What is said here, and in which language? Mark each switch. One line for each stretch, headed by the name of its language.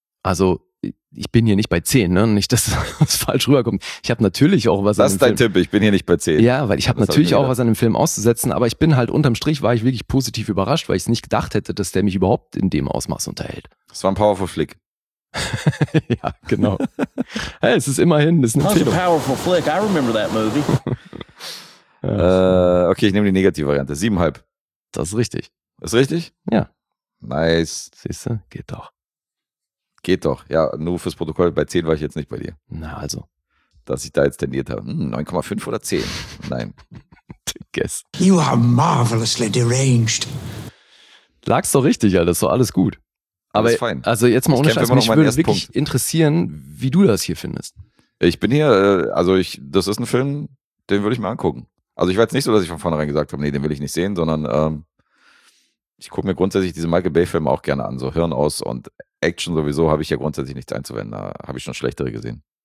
German: Also, ich bin hier nicht bei 10, ne? Nicht, dass das falsch rüberkommt. Ich habe natürlich auch was an dem Film. Das ist dein Tipp, ich bin hier nicht bei 10. Ja, weil ich habe natürlich auch was an dem Film auszusetzen, aber ich bin halt unterm Strich, war ich wirklich positiv überrascht, weil ich es nicht gedacht hätte, dass der mich überhaupt in dem Ausmaß unterhält. Das war ein powerful Flick. Ja, genau. Hey, es ist immerhin, das ist eine Empfehlung.
English: That was a powerful flick, I remember that movie.
German: Okay, ich nehme die negative Variante. 7,5. Das ist richtig. Ist richtig? Ja. Nice. Siehst du, geht doch. Geht doch. Ja, nur fürs Protokoll, bei 10 war ich jetzt nicht bei dir. Na also. Dass ich da jetzt tendiert habe. 9,5 oder 10? Nein.
English: Guess. You are marvelously deranged.
German: Lag's doch richtig, Alter. Ist doch alles gut. Aber alles fein. Also jetzt mal ohne Scheiß, mich würde wirklich interessieren, wie du das hier findest. Ich bin hier, also ich, das ist ein Film, den würde ich mir angucken. Also ich weiß nicht so, dass ich von vornherein gesagt habe, nee, den will ich nicht sehen, sondern ich gucke mir grundsätzlich diese Michael Bay Filme auch gerne an, so Hirn aus und Action sowieso habe ich ja grundsätzlich nichts einzuwenden, da habe ich schon schlechtere gesehen.